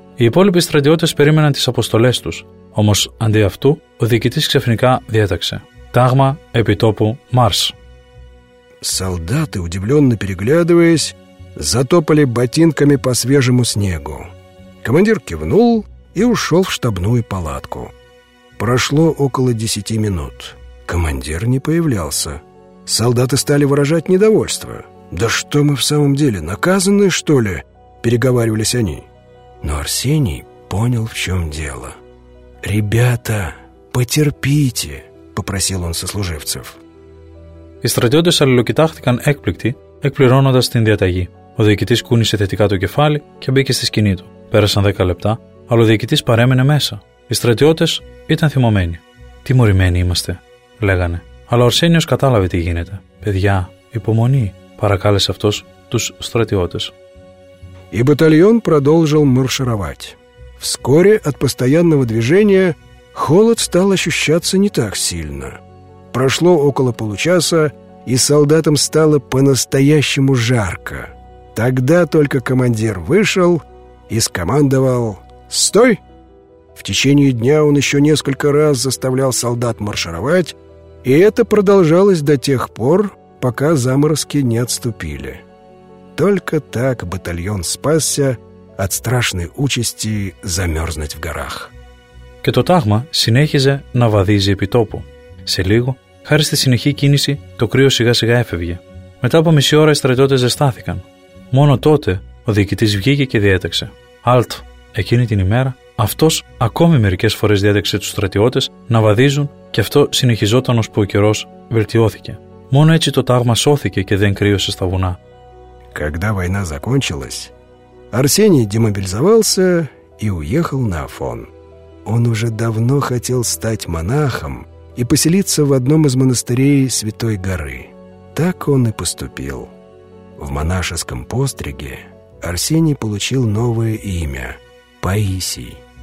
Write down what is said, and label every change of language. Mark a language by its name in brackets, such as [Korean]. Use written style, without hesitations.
[Greek] Οι υπόλοιποι στρατιώτες περίμεναν τις αποστολές τους. Όμως αντί αυτού, ο διοικητής ξαφνικά διέταξε: «Τάγμα επί τόπου, Μάρς!». [Russian] Солдаты, удивленно переглядываясь, затопали ботинками по свежему снегу. Командир кивнул и ушел в штабную палатку. Прошло около 10 минут. Командир не появлялся. Солдаты стали выражать недовольство. «Да что мы в самом деле, наказаны, что ли?» – переговаривались они. Но Арсений понял, в чем дело. «Ребята, потерпите», – попросил он сослуживцев. [Greek] Οι στρατιώτες αλληλοκοιτάχτηκαν έκπληκτοι, εκπληρώνοντας την διαταγή. Ο διοικητής κούνησε θετικά το κεφάλι και μπήκε στη σκηνή του. Πέρασαν 10 λεπτά, αλλά ο διοικητής παρέμενε μέσα. Οι στρατιώτες ήταν θυμωμένοι. «Τιμωρημένοι είμαστε», λέγανε. Αλλά ο Αρσένιος κατάλαβε τι γίνεται. «Παιδιά, υπομονή», παρακάλεσε αυτός τους στρατιώτες. Η μπαταλιόν [Russian] продолжил маршировать. Вскоре от постоянного движения холод стал ощущаться не так сильно. Прошло около получаса, и солдатам стало по-настоящему жарко. Тогда только командир вышел и скомандовал: «Стой!». В течение дня он еще несколько раз заставлял солдат маршировать, и это продолжалось до тех пор, пока заморозки не отступили. Только так батальон спасся от страшной участи замерзнуть в горах. [Greek] Και το τάγμα συνέχιζε να βαδίζει επί τόπου. Σε λίγο, χάρη στη συνεχή κίνηση, το κρύο σιγά σιγά έφευγε. Μετά από μισή ώρα οι στρατιώτες ζεστάθηκαν. Μόνο τότε ο διοικητής βγήκε και διέταξε: «Αλτ!». Εκείνη την ημέρα αυτός ακόμη μερικές φορές διέταξε τους στρατιώτες να βαδίζουν, και αυτό συνεχιζόταν ώσπου ο καιρός βελτιώθηκε. Μόνο έτσι το τάγμα σώθηκε και δεν κρύωσε στα βουνά. [Russian] Когда война закончилась, Арсений демобилизовался и уехал на Афон. он уже давно хотел стать монахом и поселиться в одном из монастырей Святой Горы. Так он и поступил. В монашеском постриге Арсений получил новое имя – Паисий.